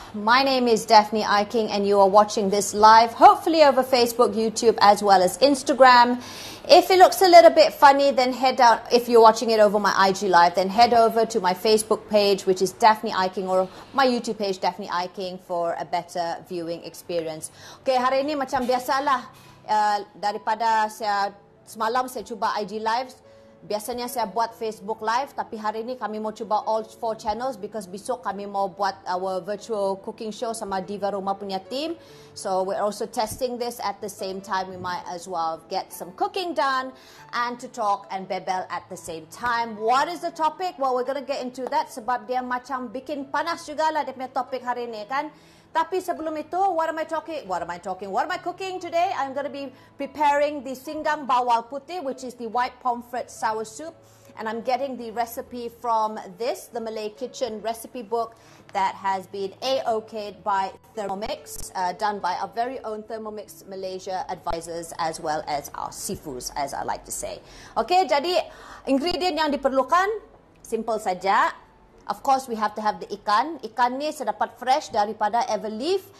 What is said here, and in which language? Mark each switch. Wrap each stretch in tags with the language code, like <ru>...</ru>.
<en>My name is Daphne Iking and you are watching this live, hopefully over Facebook, YouTube, as well as Instagram. If it looks a little bit funny, then head down. If you're watching it over my IG live, then head over to my Facebook page, which is Daphne Iking, or my YouTube page, Daphne Iking, for a better viewing experience.</en> <ms>Okay, hari ini macam biasalah. Daripada saya semalam saya cuba IG live. Biasanya saya buat Facebook live, tapi hari ini kami mau cuba</ms> <en>all four channels because</en> <ms>besok kami mau buat</ms> <en>our virtual cooking show</en> <ms>sama Diva Rumah punya team.</ms> <en>So we're also testing this at the same time. We might as well get some cooking done and to talk and bebel at the same time. What is the topic? Well, we're going to get into that</en> <ms>sebab dia macam bikin panas jugalah dia punya topik hari ini kan. Tapi sebelum itu,</ms> <en>what am I cooking today? I'm going to be preparing the Singgang Bawal Putih, which is the white pomfret sour soup. And I'm getting the recipe from this, the Malay Kitchen recipe book that has been A-OK'd by Thermomix, done by our very own Thermomix Malaysia advisors as well as our sifus, as I like to say.</en> <ms>Okay, jadi ingredient yang diperlukan, simple saja.</ms> <en>Of course, we have to have the ikan.</en> <ms>Ikan ni saya dapat fresh daripada Everleaf.</ms>